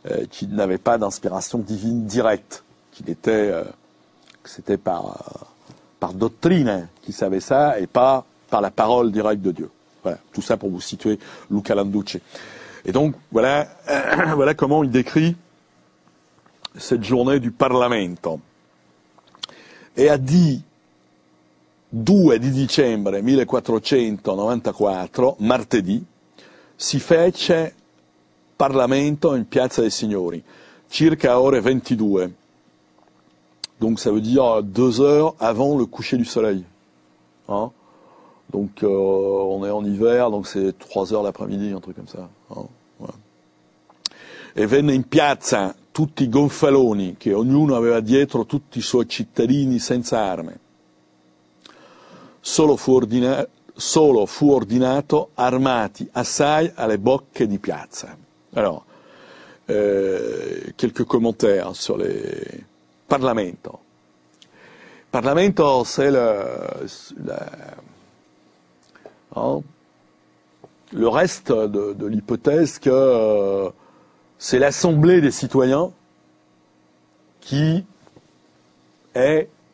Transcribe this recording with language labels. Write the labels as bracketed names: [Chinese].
[French] qu'il n'avait pas d'inspiration divine directe, que c'était par doctrine qu'il savait ça et pas par la parole directe de Dieu. Voilà, tout ça pour vous situer Luca Landucci. Et donc, voilà, voilà comment il décrit cette journée du Parlamento. Et a dit, [Italian] 2 di dicembre 1494, martedì, si fece Parlamento in Piazza dei Signori, circa ore 22. [French] Donc ça veut dire 2 heures avant le coucher du soleil. Hein? Donc on est en hiver, donc c'est 3 heures l'après-midi, un truc comme ça. Hein? Ouais. [Italian] Et venne in piazza tutti gonfaloni, che ognuno aveva dietro tutti i suoi cittadini senza arme. Solo fu ordinato armati assai alle bocche di piazza. [French] Alors, quelques commentaires sur le Parlamento. Parlamento, c'est le reste de l'hypothèse que c'est l'assemblée des citoyens qui est